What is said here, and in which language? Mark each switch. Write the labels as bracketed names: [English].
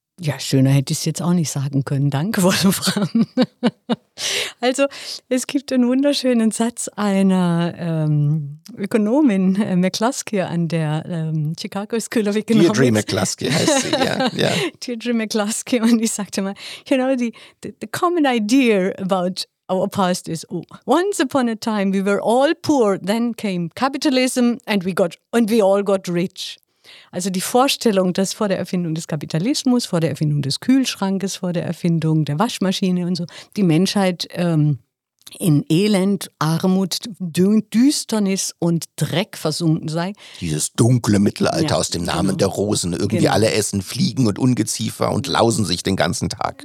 [German] Ja, schöner hätte ich es jetzt auch nicht sagen können. Danke, Wolfram. Also, es gibt einen wunderschönen Satz einer Ökonomin, McCluskey, an der Chicago School of Economics. Deirdre McCluskey heißt sie, ja. [English] Deirdre McCluskey, [German] und ich sagte mal, [English] you know, the common idea about Our past is once upon a time we were all poor, then came capitalism and we all got rich. [German] Also die Vorstellung, dass vor der Erfindung des Kapitalismus, vor der Erfindung des Kühlschrankes, vor der Erfindung der Waschmaschine und so, die Menschheit in Elend, Armut, Düsternis und Dreck versunken sei. Dieses dunkle Mittelalter aus dem Namen der Rosen. Irgendwie alle essen Fliegen und Ungeziefer und lausen sich den ganzen Tag.